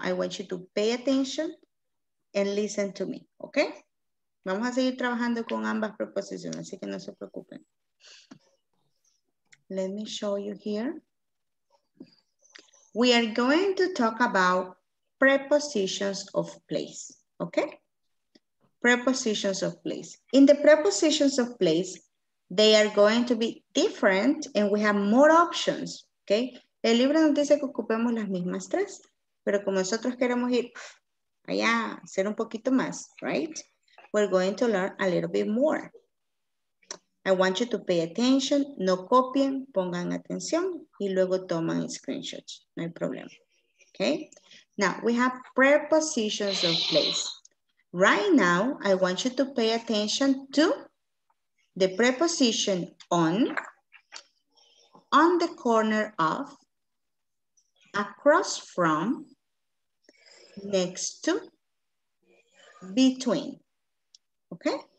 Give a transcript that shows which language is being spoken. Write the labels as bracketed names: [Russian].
[English] I want you to pay attention and listen to me, okay? [Spanish] Vamos a seguir trabajando con ambas preposiciones, así que no se preocupen. [English] Let me show you here. We are going to talk about prepositions of place, okay? Prepositions of place. In the prepositions of place, they are going to be different and we have more options, okay? [Spanish] El libro nos dice que ocupemos las mismas tres, pero como nosotros queremos ir allá, hacer un poquito más, right? [English] We're going to learn a little bit more. I want you to pay attention, [Spanish] no copien, pongan atención y luego toman screenshots, no hay problema. [English] Okay, now we have prepositions of place. Right now, I want you to pay attention to the preposition on the corner of, across from, next to, between, okay?